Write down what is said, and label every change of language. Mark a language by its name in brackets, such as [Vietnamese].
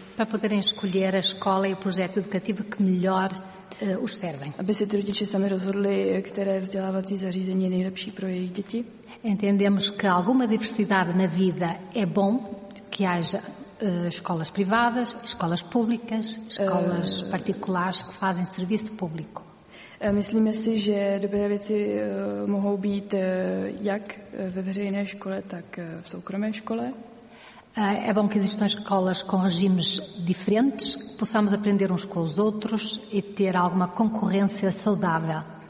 [Portuguese] Para poderem escolher a escola e o projeto educativo que melhor os servem. [Czech] Aby se ty rodiče sami rozhodli, které vzdělávací zařízení je nejlepší pro jejich děti. [Portuguese] Entendemos que alguma diversidade na vida é bom, que haja escolas privadas, escolas públicas, escolas particulares que fazem serviço público. [Czech] Myslíme si, že dobré věci mohou být jak ve veřejné škole, tak v soukromé škole. [Portuguese] É bom que existam escolas com regimes diferentes, que possamos aprender uns com os outros e ter alguma concorrência saudável.